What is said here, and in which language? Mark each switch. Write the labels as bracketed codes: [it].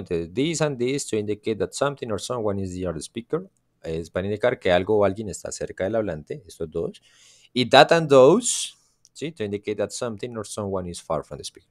[es] Entonces, [en] this and this to indicate that something or someone is near the speaker. [es] Es para indicar que algo o alguien está cerca del hablante. Estos dos. Y [en] that and those, [es] ¿sí? [en] To indicate that something or someone is far from the speaker.